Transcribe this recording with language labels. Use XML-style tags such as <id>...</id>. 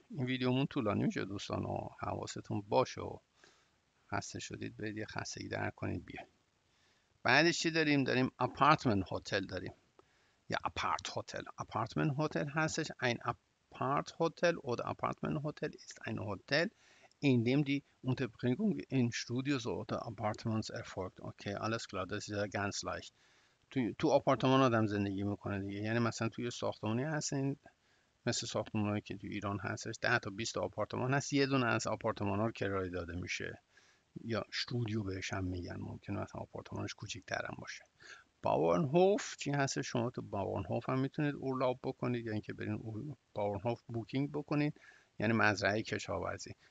<fa>این ویدیومون طولانی میشه دوستان و حواستون باشه و خسته شدید برید یه خستگی در کنید بیه. بعدش چی داریم؟ داریم اپارتمن هتل داریم یا اپارت هتل. اپارتمن هتل هستش این اپارت هتل او ده اپارتمن هتل است این هتل</fa> <de>in dem die Unterbringung in Studios oder Apartments erfolgt. Okay, alles klar, das ist ja ganz leicht.</de> <fa>تو آپارتمان آدم زندگی میکنه دیگه. یعنی مثلا توی ساختمانی هستین مثل ساختمانی که توی ایران هستش 10 تا 20 آپارتمان هست، یه دونه از آپارتمان ها کرایه داده میشه یا استودیو بهش هم میگن، ممکنه مثلا آپارتمانش کوچیک‌تر هم باشه. باورنهوف چی هست؟ شما تو باورنهوف هم میتونید اورلاب بکنید، یعنی که برین باورنهوف بوکینگ بکنید، یعنی مزرعه کشاورزی.</fa>